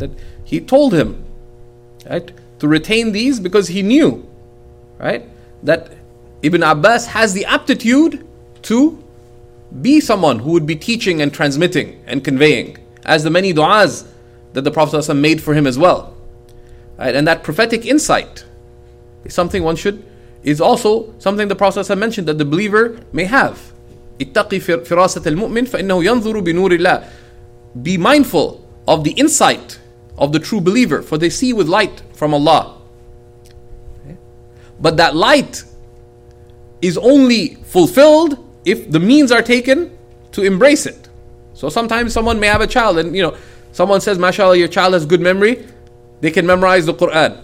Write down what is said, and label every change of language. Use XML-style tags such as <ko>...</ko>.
<en>That he told him, right, to retain these because he knew, right, that Ibn Abbas has the aptitude to be someone who would be teaching and transmitting and conveying, as the many du'as that the Prophet ﷺ made for him as well. Right? And that prophetic insight is something one should, is also something the Prophet ﷺ mentioned that the believer may have.</en> <ar>اتقي فراسة المؤمن فإنه ينظر بنور الله.</ar> <en>Be mindful of the insight of the true believer, for they see with light from Allah. But that light is only fulfilled if the means are taken to embrace it. So sometimes someone may have a child and, you know, someone says, mashallah, your child has good memory, they can memorize the Quran.</en>